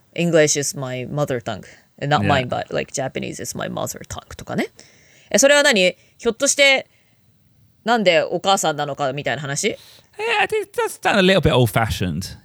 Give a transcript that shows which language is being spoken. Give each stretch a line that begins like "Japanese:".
English: English is my mother tongue, not mine, but like Japanese is my mother tongue
Japanese: とかね。それは何ひょっとしてなんでお母さんなのかみたいな話
English: Yeah, I think that's a little bit old-fashioned.